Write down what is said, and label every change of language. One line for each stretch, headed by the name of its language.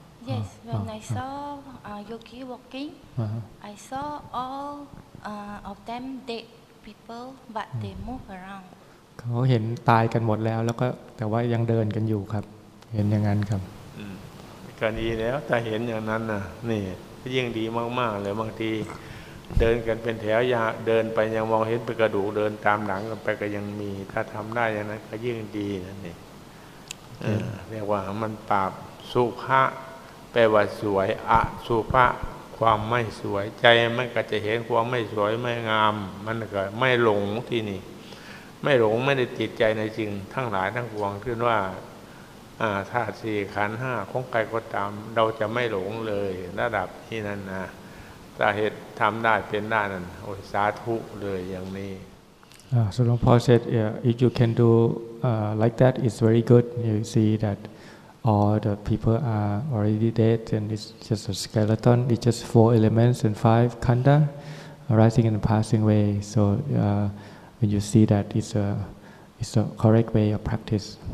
English: yes when I saw yogi walking I saw all of them dead people but they move around
Thai: เขาเห็นตายกันหมดแล้วแล้วก็แต่ว่ายังเดินกันอยู่ครับเห็นอย่างนั้นครับ ก็ดีแล้วแต่เห็นอย่างนั้นน่ะนี่ยิ่งดีมากๆเลยบางทีเดินกันเป็นแถวยาเดินไปยังมองเห็นเป็นกระดูกเดินตามหลังกันไปก็ยังมีถ้าทำได้อย่างนั้นก็ยิ่งดีนั่นเอง เรียกว่ามันปราบสุภะแปลว่าสวยอสุภะความไม่สวยใจมันก็จะเห็นความไม่สวยไม่งามมันก็ไม่หลงที่นี่ไม่หลงไม่ได้ติดใจในจริงทั้งหลายทั้งปวงขึ้นว่าธาตุสี่ขันห้าของใครก็ตามเราจะไม่หลงเลยระดับที่นั้นนะถ้าเหตุทำได้เป็นได้นั่นโอ้ยสาธุเลยอย่างนี้
English: สุรพงศ์ said if you can do like that it's very good you see that all the people are already dead and it's just a skeleton it's just four elements and five khanda rising and passing away so when you see that it's a correct way of practice